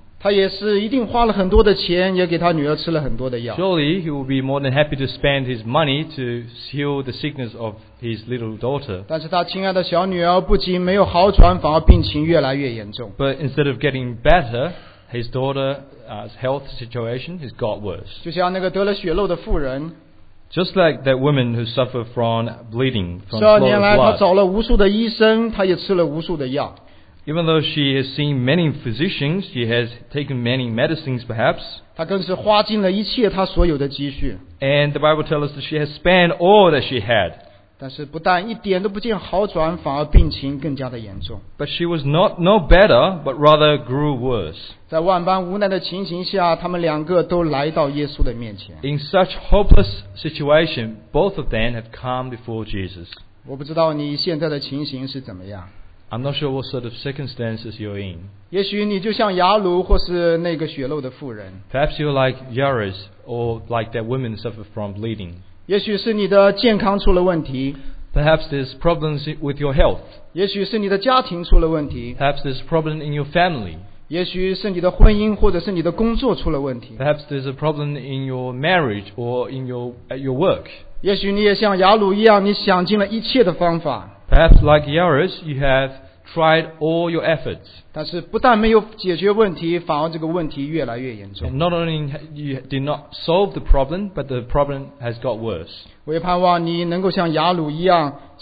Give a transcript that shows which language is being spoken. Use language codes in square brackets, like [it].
[zh] 他也是一定花了很多的钱, 也给他女儿吃了很多的药。 [en] Surely he will be more than happy to spend his money to heal the sickness of his little daughter. [zh] 但是他亲爱的小女儿不仅没有好转, 反而病情越来越严重。 [en] But instead of getting better, his daughter's health situation has got worse. [zh] 就像那个得了血漏的妇人, [en] just like that woman who suffered from bleeding, from flow of blood. [zh] 12年来她找了无数的医生,她也吃了无数的药。 [en] Even though she has seen many physicians, she has taken many medicines perhaps. [zh] 她更是花尽了一切她所有的积蓄。 [en] And the Bible tells us that she has spent all that she had. [zh] 但是不但一点都不见好转, 反而病情更加的严重。 [en] But she was no better, but rather grew worse. [zh] 在万般无奈的情形下, 他们两个都来到耶稣的面前。 [en] In such hopeless situation, both of them have come before Jesus. [zh] 我不知道你现在的情形是怎么样。 [en] I'm not sure what sort of circumstances you're in. [zh] 也许你就像雅鲁或是那个血漏的妇人。 [en] Perhaps you're like Yairus, or like that woman suffered from bleeding. [zh] 也许是你的健康出了问题, [en] perhaps there's problems with your health. [zh] 也许是你的家庭出了问题, [en] perhaps there's a problem in your family. [zh] 也许是你的婚姻或者是你的工作出了问题, [en] perhaps there's a problem in your marriage or in at your work. [zh] 也许你也像雅鲁一样, 你想尽了一切的方法, [en] perhaps like Yairus, you have tried all your efforts. [zh] 但是不但没有解决问题, [en] and not only you did not solve the problem, but the problem has got worse. [zh] 我也盼望你能够像雅鲁一样,